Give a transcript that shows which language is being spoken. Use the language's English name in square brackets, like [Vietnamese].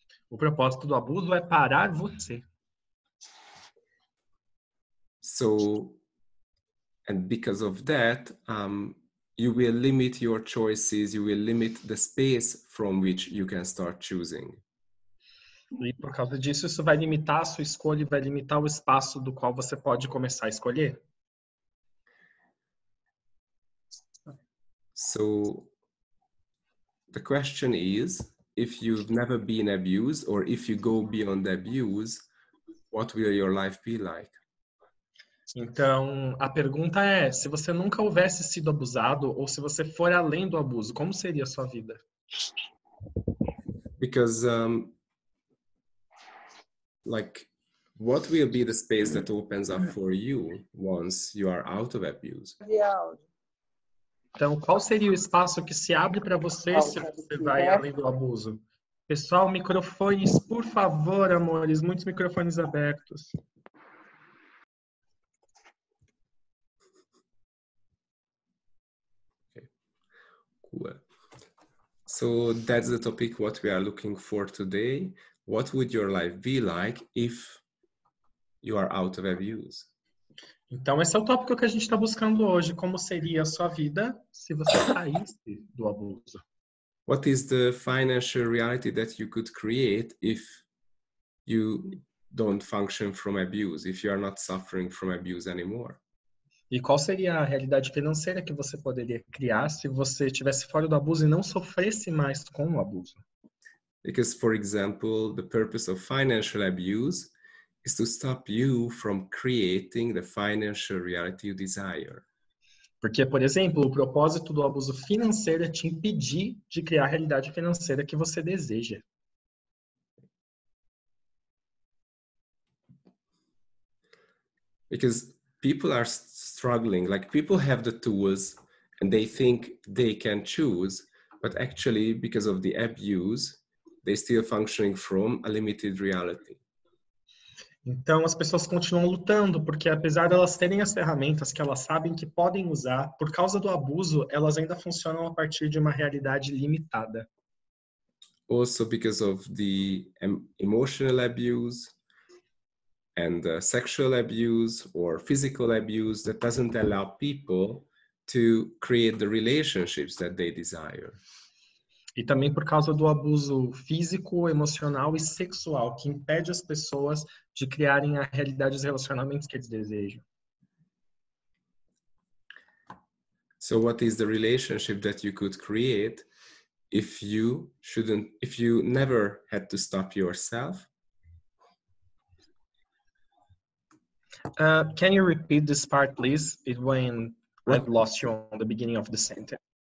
[Portuguese] O propósito do abuso é parar você. [English] So, and because of that, you will limit your choices, you will limit the space from which you can start choosing. [Portuguese] E por causa disso, isso vai limitar a sua escolha e vai limitar o espaço do qual você pode começar a escolher. [English] So, the question is, if you've never been abused, or if you go beyond abuse, what will your life be like? [Portuguese] Então, a pergunta é, se você nunca houvesse sido abusado, ou se você for além do abuso, como seria a sua vida? [English] Because, like, what will be the space that opens up for you once you are out of abuse? Yeah. [Portuguese] Então, qual seria o espaço que se abre para você se você vai além do abuso? Pessoal, microfones, por favor, amores, muitos microfones abertos. [English] Okay. Cool. So, that's the topic what we are looking for today. What would your life be like if you are out of abuse? [Portuguese] Então, esse é o tópico que a gente está buscando hoje. Como seria a sua vida se você saísse do abuso? [English] What is the financial reality that you could create if you don't function from abuse, if you are not suffering from abuse anymore? [Portuguese] E qual seria a realidade financeira que você poderia criar se você estivesse fora do abuso e não sofresse mais com o abuso? [English] Because, for example, the purpose of financial abuse is to stop you from creating the financial reality you desire. [Portuguese] Porque, por exemplo, o propósito do abuso financeiro é te impedir de criar a realidade financeira que você deseja. [English] Because people are struggling, like people have the tools and they think they can choose, but actually because of the abuse, they're still functioning from a limited reality. [Portuguese] Então, as pessoas continuam lutando, porque apesar de elas terem as ferramentas que elas sabem que podem usar, por causa do abuso, elas ainda funcionam a partir de uma realidade limitada. [English] Also because of the emotional abuse and the sexual abuse or physical abuse that doesn't allow people to create the relationships that they desire. [Portuguese] E também por causa do abuso físico, emocional e sexual, que impede as pessoas de criarem a realidade dos relacionamentos que eles desejam. [English] So what is the relationship that you could create if you never had to stop yourself? Can you repeat this part, please? It went, I've lost you on the beginning of the sentence.